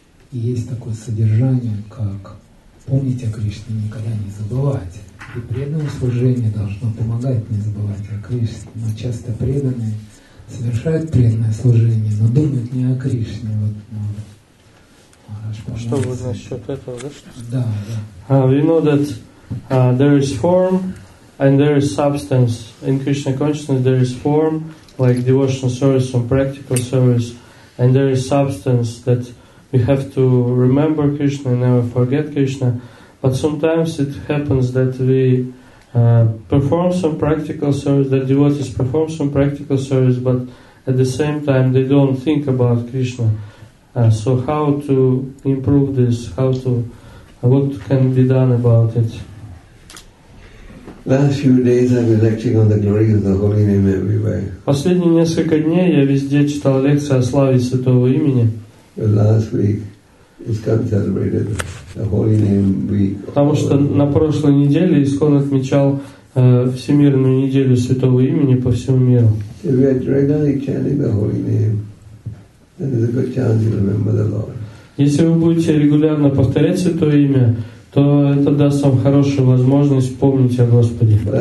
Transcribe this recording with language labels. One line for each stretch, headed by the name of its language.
Russian: И есть такое содержание, как помнить о Кришне, никогда не забывать. И преданное служение должно помогать не забывать о Кришне. Но часто преданные совершают преданное служение, но думают не о Кришне. Вот, ну, что вы насчет этого? Да, да.
English: We know that there is form and there is substance. In Krishna consciousness there is form, like devotional service and practical service, and there is substance that we have to remember Krishna and never forget Krishna. But sometimes it happens that we perform some practical service, that devotees perform some practical service, but at the same time they don't think about Krishna. So how to improve this? How to? What can be done about it? Last few days I've been lecturing on the glory of the Holy Name everywhere.
Russian: Последние несколько дней я везде читал лекции о славе Святого Имени.
English: Last week ISKCON celebrated the Holy Name Week.
Russian: Потому что на прошлой неделе ISKCON отмечал Всемирную неделю Святого Имени по всему миру.
English: So we are regularly chanting the Holy Name, and there's a good chance to remember the Lord.
Russian: Если вы будете регулярно повторять Святое Имя, то это даст вам хорошую возможность помнить о Господе.